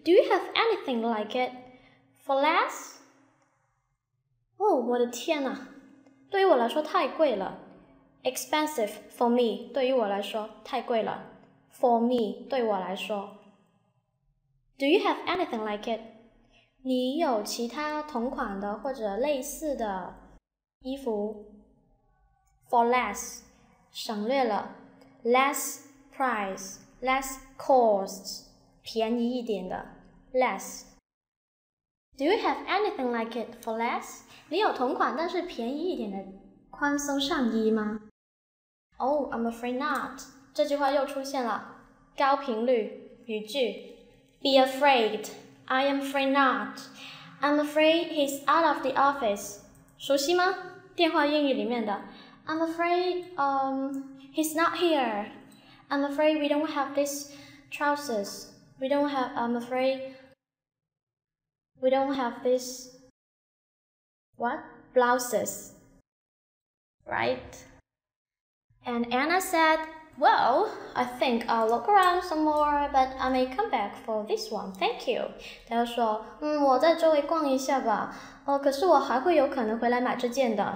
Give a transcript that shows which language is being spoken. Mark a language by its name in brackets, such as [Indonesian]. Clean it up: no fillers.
[English] Do you have anything like it for less? [Chinese] Oh, 我的天啊，对于我来说太贵了。 [English] Expensive for me, [Chinese] 对于我来说太贵了。 [English] For me, [Chinese] 对我来说。 [English] Do you have anything like it? [Chinese] 你有其他同款的或者类似的衣服 ？ [English] For less, [Chinese] 省略了 less。 [English] Price, less cost, [Chinese] 便宜一点的 [English] less. Do you have anything like it for less? [Chinese] 你有同款但是便宜一点的宽松上衣吗？ [English] Oh, I'm afraid not. [Chinese] 这句话又出现了，高频率语句。 [English] Be afraid, I am afraid not. I'm afraid he's out of the office. [Chinese] 熟悉吗？电话英语里面的。 [English] I'm afraid, he's not here. I'm afraid we don't have these trousers. We don't have. I'm afraid we don't have this. What blouses? Right. And Anna said, "Well, I think I'll look around some more, but I may come back for this one. Thank you." [Chinese] 她又说，我在周围逛一下吧。可是我还会有可能回来买这件的。